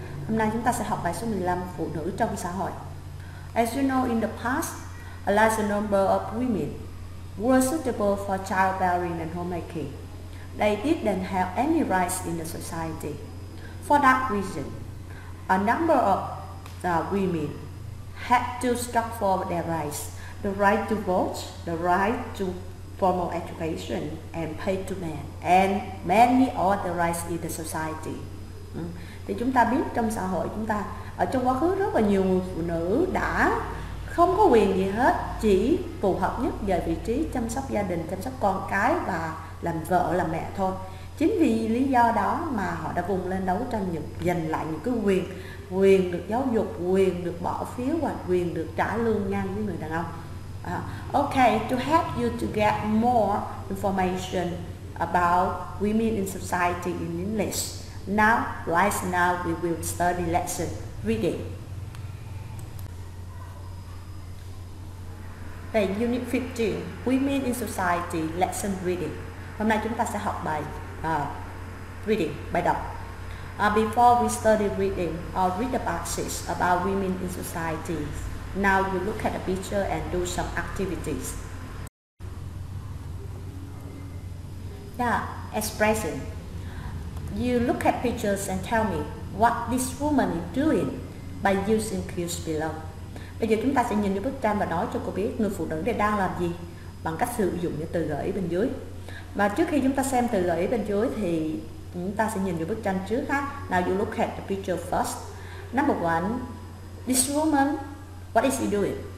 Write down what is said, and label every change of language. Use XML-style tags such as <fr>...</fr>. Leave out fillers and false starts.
<vi>Hôm nay chúng ta sẽ học bài số 15, Phụ nữ trong xã hội.</vi> <en>As you know, in the past, a large number of women were suitable for childbearing and homemaking. They didn't have any rights in the society. For that reason, a number of women had to struggle for their rights. The right to vote, the right to formal education and pay to men, and many other rights in the society.</en> <vi>Thì chúng ta biết trong xã hội chúng ta, ở trong quá khứ rất là nhiều người phụ nữ đã không có quyền gì hết, chỉ phù hợp nhất về vị trí chăm sóc gia đình, chăm sóc con cái và làm vợ, làm mẹ thôi. Chính vì lý do đó mà họ đã vùng lên đấu tranh những giành lại những cái quyền, quyền được giáo dục, quyền được bỏ phiếu và quyền được trả lương ngang với người đàn ông.</vi> <en>Okay, to help you to get more information about women in society in English. Now, right now, we will study lesson reading. Okay, Unit 15, Women in Society, Lesson Reading.</en> <vi>Hôm nay chúng ta sẽ học bài reading, bài đọc.</vi> <en>Before we study reading, I'll read the boxes about women in society. Now you look at the picture and do some activities. Yeah, expression. You look at pictures and tell me what this woman is doing by using cues below.</en> <vi>Bây giờ chúng ta sẽ nhìn vào bức tranh và nói cho cô biết người phụ nữ này đang làm gì bằng cách sử dụng những từ gợi ý bên dưới. Và trước khi chúng ta xem từ gợi ý bên dưới thì chúng ta sẽ nhìn vào bức tranh trước ha.</vi> <en>Now you look at the picture first. Number one, this woman, what is she doing?</en>